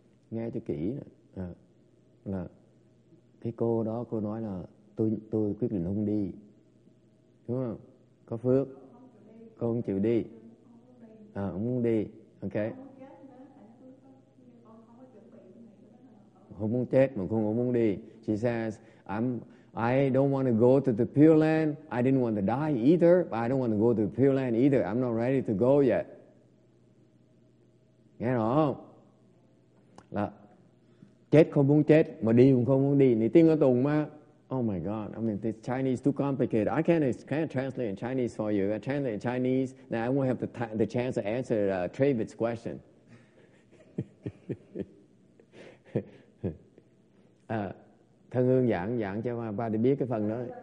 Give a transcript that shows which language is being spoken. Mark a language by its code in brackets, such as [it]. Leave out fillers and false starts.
[vi] Nghe cho kỹ là cái cô đó cô nói là tôi quyết định không đi, đúng không? Có phước, cô không chịu đi, không muốn đi, ok, không muốn chết mà không muốn đi. [en] She says I don't want to go to the Pure Land. I didn't want to die either, but I don't want to go to the Pure Land either. I'm not ready to go yet. [vi] Nghe rõ không? Là chết không muốn chết mà đi cũng không muốn đi, thì tiếng ở tùng mà. [en] Oh my God, I mean, this Chinese too complicated. I can't translate in Chinese for you. I translate in Chinese, then I won't have the chance to answer Travis' question. [vi] Thân Hương giảng cho ba để biết cái phần đó.